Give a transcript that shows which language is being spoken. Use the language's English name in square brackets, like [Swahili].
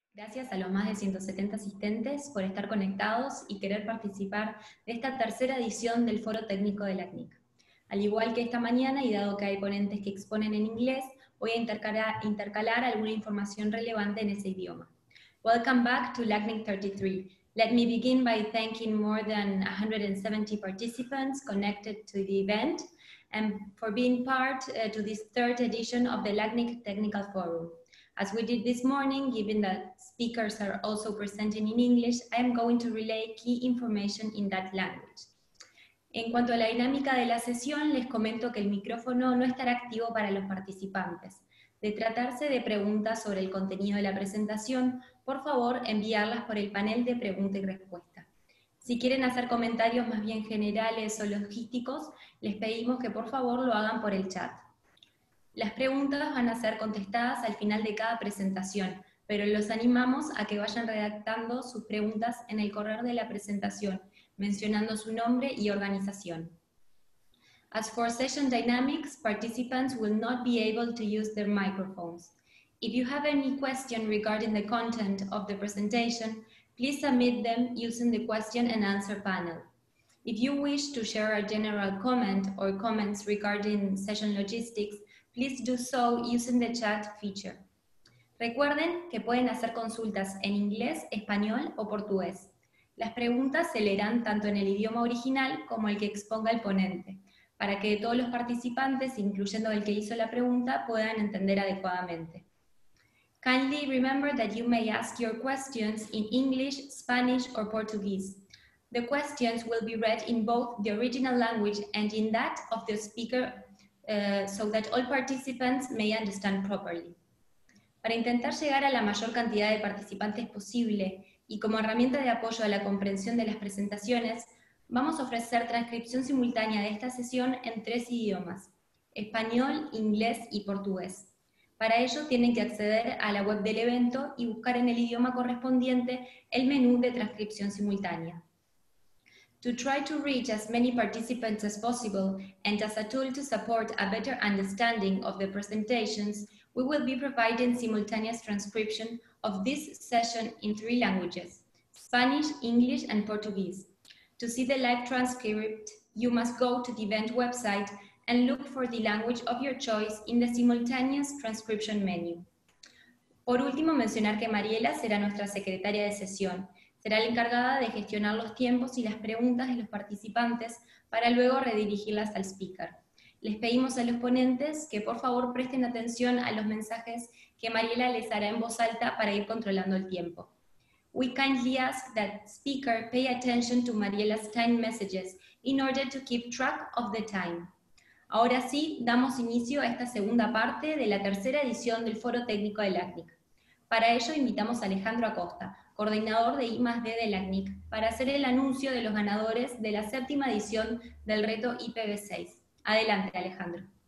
[Spanish] Gracias a los más de 170 asistentes por estar conectados y querer participar de esta tercera edición del Foro Técnico de la CNIC. Al igual que esta mañana, y dado que hay ponentes que exponen en inglés, voy a intercalar alguna información relevante en ese idioma. [English] Welcome back to LACNIC 33. Let me begin by thanking more than 170 participants connected to the event and for being part to this third edition of the LACNIC Technical Forum. As we did this morning, given that speakers are also presenting in English, I am going to relay key information in that language. [Spanish] En cuanto a la dinámica de la sesión, les comento que el micrófono no estará activo para los participantes. De tratarse de preguntas sobre el contenido de la presentación, por favor, enviarlas por el panel de pregunta y respuesta. Si quieren hacer comentarios más bien generales o logísticos, les pedimos que por favor lo hagan por el chat. Las preguntas van a ser contestadas al final de cada presentación, pero los animamos a que vayan redactando sus preguntas en el correo de la presentación, mencionando su nombre y organización. [English] As for session dynamics, participants will not be able to use their microphones. If you have any question regarding the content of the presentation, please submit them using the question and answer panel. If you wish to share a general comment or comments regarding session logistics, please do so using the chat feature. [Spanish] Recuerden que pueden hacer consultas en inglés, español o portugués. Las preguntas se leerán tanto en el idioma original como el que exponga el ponente, para que todos los participantes, incluyendo el que hizo la pregunta, puedan entender adecuadamente. [English] Kindly remember that you may ask your questions in English, Spanish or Portuguese. The questions will be read in both the original language and in that of the speaker, so that all participants may understand properly. [Spanish] Para intentar llegar a la mayor cantidad de participantes posible y como herramienta de apoyo a la comprensión de las presentaciones, vamos a ofrecer transcripción simultánea de esta sesión en tres idiomas: español, inglés y portugués. Para ello tienen que acceder a la web del evento y buscar en el idioma correspondiente el menú de transcripción simultánea. [English] To try to reach as many participants as possible and as a tool to support a better understanding of the presentations, we will be providing simultaneous transcription of this session in three languages, Spanish, English, and Portuguese. To see the live transcript, you must go to the event website and look for the language of your choice in the simultaneous transcription menu. [Spanish] Por último, mencionar que Mariela será nuestra secretaria de sesión. Será la encargada de gestionar los tiempos y las preguntas de los participantes para luego redirigirlas al speaker. Les pedimos a los ponentes que por favor presten atención a los mensajes que Mariela les hará en voz alta para ir controlando el tiempo. [English] We kindly ask that speaker pay attention to Mariela's time messages in order to keep track of the time. [Spanish] Ahora sí, damos inicio a esta segunda parte de la tercera edición del Foro Técnico de LACNIC. Para ello invitamos a Alejandro Acosta, coordinador de I+D de LACNIC, para hacer el anuncio de los ganadores de la séptima edición del reto IPv6. Adelante, Alejandro.